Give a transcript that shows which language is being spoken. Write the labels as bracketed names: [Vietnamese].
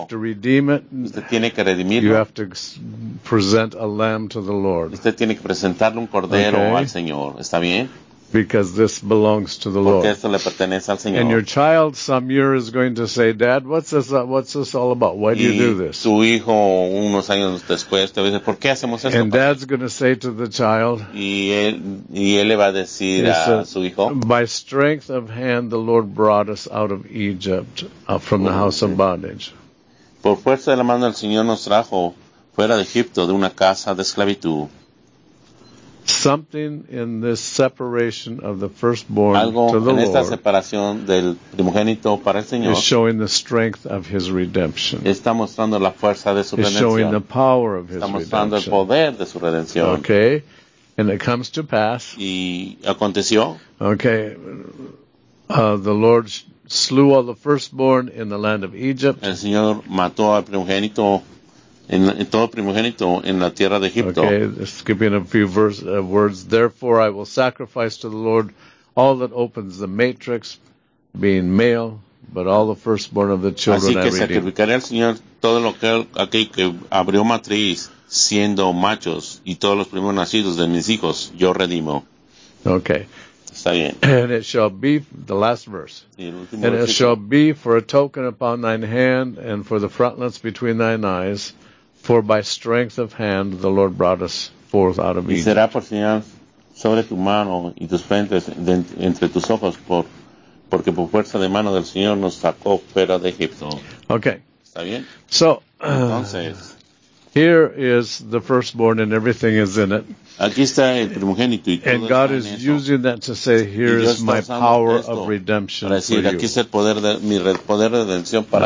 [English] have to redeem it. [Spanish] Usted tiene que redimirlo. [English] You have to present a lamb to the Lord. [Spanish] Usted tiene que presentarle un cordero okay. al Señor. ¿Está bien? [English] Because this belongs to the [Spanish] porque Esto le pertenece al Señor. [English] And your child some year is going to say, Dad, what's this all about? Why [Spanish] y [English] do you do this? [Spanish] Su hijo unos años después te dice, ¿por qué hacemos esto? [English] And Dad's going to say to the child, [Spanish] y él le va a decir a su hijo, [English] by strength of hand the Lord brought us out of Egypt, from the house of bondage. [Spanish] Por fuerza de la mano del Señor nos trajo fuera de Egipto de una casa de esclavitud. [English] Something in this separation of the firstborn [Spanish] algo [English] to the [Spanish] en esta [English] Lord [Spanish] separación del primogénito para el Señor [English] is showing the strength of his redemption. [Spanish] Está mostrando la fuerza de su redención. [English] Is showing the power of [Spanish] está [English] his redemption. [Spanish] Está mostrando el poder de su redención. [English] Okay. And it comes to pass. [Spanish] Y aconteció. [English] Okay. The Lord slew all the firstborn in the land of Egypt. [Spanish] El Señor mató al primogénito. En todo primogénito en la tierra de Egipto. [English] Okay, skipping a few words. Therefore, I will sacrifice to the Lord all that opens the matrix, being male, but all the firstborn of the children. [Spanish] Así que sacrificaré al Señor todo lo que aquel que abrió matriz, siendo machos y todos los primeros nacidos de mis hijos, yo redimo. [English] Okay. [Spanish] Está bien. [English] And it shall be the last verse. [Spanish] Y el último [English] and [Spanish] versículo. [English] It shall be for a token upon thine hand and for the frontlets between thine eyes. For by strength of hand the Lord brought us forth out of Egypt. [Spanish] Y será por señal sobre tu mano y tus frentes entre tus ojos porque por fuerza de mano del Señor nos sacó fuera de Egipto. [English] Okay. [Spanish] ¿Está bien? [English] So, [Spanish] entonces, [English] here is the firstborn and everything is in it. [Spanish] Aquí está el primogénito y todo [English] and God [Spanish] está [English] is [Spanish] en [English] using [Spanish] eso. [English] That to say, here is my power of redemption [Spanish] para decir, [English] for you. [Spanish] Aquí está el poder de, mi poder de redención para